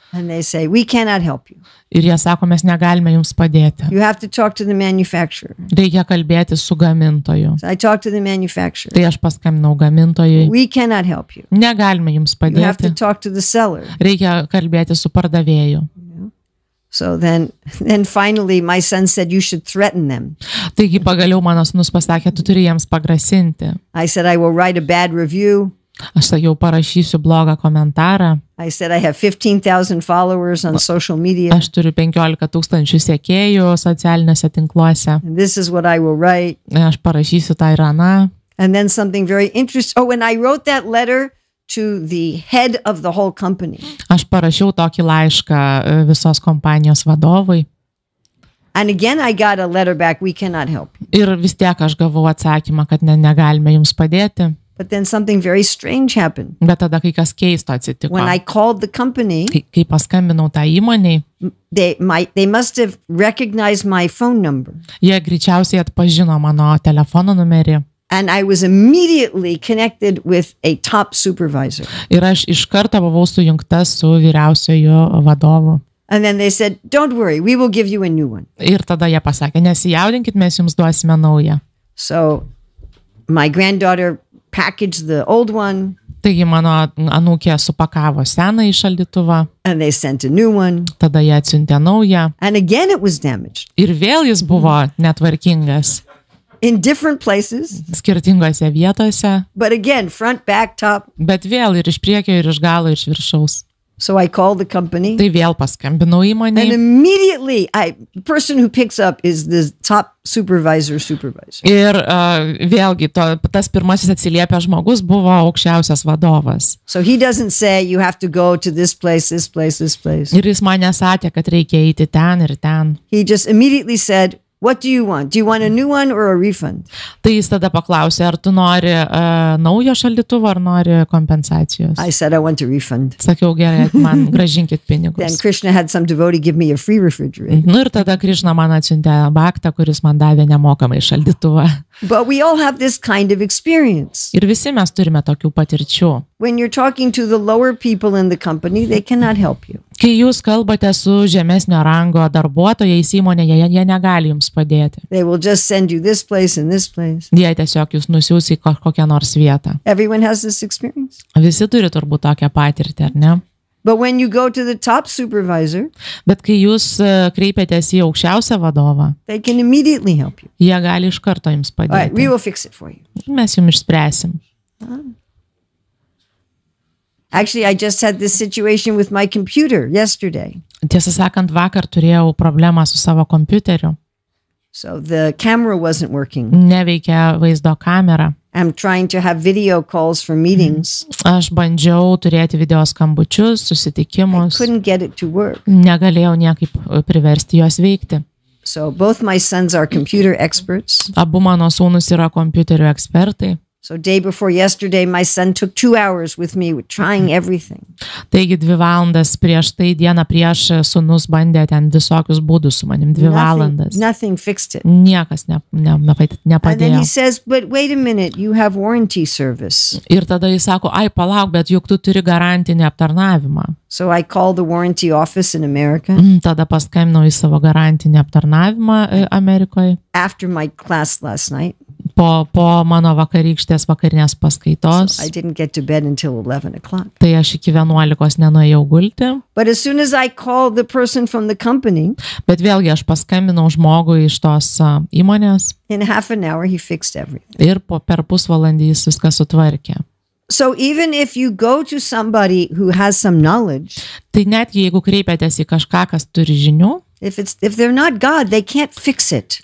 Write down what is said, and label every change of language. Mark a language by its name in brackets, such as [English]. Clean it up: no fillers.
[English] And they say we cannot help you. [Lithuanian] Ir jie sako, mes negalime jums padėti. [English] You have to talk to the manufacturer. [Lithuanian] Reikia kalbėti su gamintoju. [English] So I talked to the manufacturer. [Lithuanian] Tai aš paskambinau gamintojui. [English] We cannot help you. [Lithuanian] Negalime jums padėti. [English] You have to talk to the seller. [Lithuanian] Reikia kalbėti su pardavėju. [English] So then finally my son said you should threaten them. [Lithuanian] Taigi pagaliau mano sūnus pasakė, tu turi jiems pagrasinti. [English] I said I will write a bad review. [Lithuanian] Aš sakiau, parašysiu blogą komentarą. [English] I said I have 15,000 followers on social media. [Lithuanian] Aš turiu 15,000 sekėjų socialiniuose tinkluose. [English] And this is what I will write. [Lithuanian] Aš parašysiu tą ir aną. [English] And then something very interesting. Oh, when I wrote that letter to the head of the whole company. [Lithuanian] Aš parašiau tokį laišką visos kompanijos vadovui. [English] And again I got a letter back, we cannot help. [Lithuanian] Ir vis tiek aš gavau atsakymą, kad negalime jums padėti. [English] But then something very strange happened. [Lithuanian] Bet tada kai kas keisto atsitiko. [English] When I called the company, [Lithuanian] kai paskambinau tą įmonei, [English] they must have recognized my phone number. [Lithuanian] Jie greičiausiai atpažino mano telefono numerį. [English] And I was immediately connected with a top supervisor. [Lithuanian] Ir aš iš karto buvau sujungta su vyriausiojo vadovu. [English] And then they said, don't worry, we will give you a new one. [Lithuanian] Ir tada jie pasakė, nesijaudinkit, mes jums duosime naują. [English] So my granddaughter packaged the old one. [Lithuanian] Taigi mano anūkė supakavo seną į šaldytuvą. [English] And they sent a new one. [Lithuanian] Tada jie atsiuntė naują. [English] And again it was damaged. [Lithuanian] Ir vėl jis buvo netvarkingas. [English] In different places. [Lithuanian] Skirtingose vietose. [English] But again, front, back, top. [Lithuanian] Bet vėl ir iš priekio, ir iš galo, ir iš viršaus. [English] So I called the company. [Lithuanian] Tai vėl paskambinau įmonei. [English] And immediately, the person who picks up is the top supervisor. [Lithuanian] Ir vėlgi, tas pirmasis atsiliepė žmogus buvo aukščiausias vadovas. [English] So he doesn't say you have to go to this place. [Lithuanian] Ir jis man nesakė, kad reikia eiti ten ir ten. [English] He just immediately said, what do you want? Do you want a new one or a refund? [Lithuanian] Tai jis tada paklausė, ar tu nori naujo šaldytuvo, ar nori kompensacijos. [English] I said I want a refund. [Lithuanian] Sakiau, gerai, man gražinkit pinigus. [English] Then Krishna had some devotee give me a free refrigerator. [Lithuanian] Nu ir tada Krishna man atsiuntė baktą, kuris man davė nemokamai šaldytuvą. [English] But we all have this kind of experience. [Lithuanian] Ir visi mes turime tokių patirčių. [English] When you're talking to the lower people in the company, they cannot help you. [Lithuanian] Kai jūs kalbate su žemesnio rango darbuotojais įmonėje, jie negali jums padėti. [English] They will just send you this place and this place. [Lithuanian] Jie tiesiog jūs nusiūs į kokią nors vietą. [English] Everyone has this experience. [Lithuanian] Visi turi turbūt tokią patirtį, ar ne? [English] But when you go to the top supervisor, [Lithuanian] bet kai jūs kreipiatės į aukščiausią vadovą, [English] they can immediately help you. [Lithuanian] Jie gali iš karto jums padėti. [English] All right, we will fix it for you. [Lithuanian] Mes jums išspręsim. [English] Actually, I just had this situation with my computer yesterday. [Lithuanian] Tiesą sakant, vakar turėjau problemą su savo kompiuteriu. [English] So the camera wasn't working. [Lithuanian] Neveikia vaizdo kamera. [English] I'm trying to have video calls for meetings. [Lithuanian] Aš bandžiau turėti video skambučius, susitikimus. [English] I couldn't get it to work. [Lithuanian] Negalėjau niekaip priversti jos veikti. [English] So both my sons are computer experts. [Lithuanian] Abu mano sūnus yra kompiuterių ekspertai. [English] So day before yesterday, my son took 2 hours with me trying everything. [Lithuanian] Taigi 2 valandas prieš tai, dieną prieš, sūnus bandė ten visokius būdus su manim, 2 valandas. [English] Nothing fixed it. [Lithuanian] Niekas nepadėjo. [English] And then he says, but wait a minute, you have warranty service. [Lithuanian] Ir tada jis sako, ai palauk, bet juk tu turi garantinį aptarnavimą. [English] So I called the warranty office in America. [Lithuanian] Tada paskambinau į savo garantinį aptarnavimą Amerikoje. [English] After my class last night. [Lithuanian] Po mano vakarykštės vakarinės paskaitos. [English] So I didn't get to bed until 11 o'clock. [Lithuanian] Tai aš iki 11 nenuėjau gulti. [English] But as soon as I called the person from the company. [Lithuanian] Bet vėlgi aš paskambinau žmogui iš tos įmonės. [English] In half an hour he fixed everything. [Lithuanian] Ir per pusvalandį jis viską sutvarkė. [English] So even if you go to somebody who has some knowledge. [Lithuanian] Tai net jeigu kreipiatės į kažką, kas turi žinių. [English] If they're not God, they can't fix it.